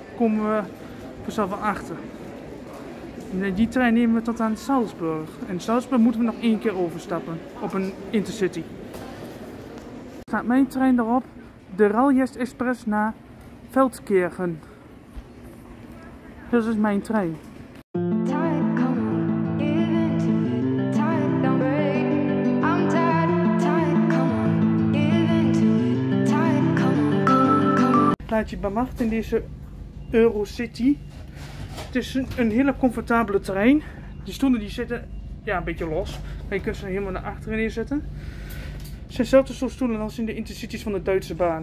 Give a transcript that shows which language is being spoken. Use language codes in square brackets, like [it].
[nl] Komen we vanzelf wel achter. Die trein nemen we tot aan Salzburg. En Salzburg moeten we nog één keer overstappen. Op een intercity. Staat mijn trein erop. De Railjet Express naar Veldkirchen. Dat is mijn trein. [en] Tide, come on, give in to it. Tide, don't break. I'm tired. Tide, come on, give [nl] parkeerplaatje bij macht in deze Eurocity. Het is een hele comfortabele trein. De stoelen die zitten ja, een beetje los. Maar je kunt ze helemaal naar achteren neerzetten. Het zijn dezelfde soort stoelen als in de Intercities van de Duitse baan.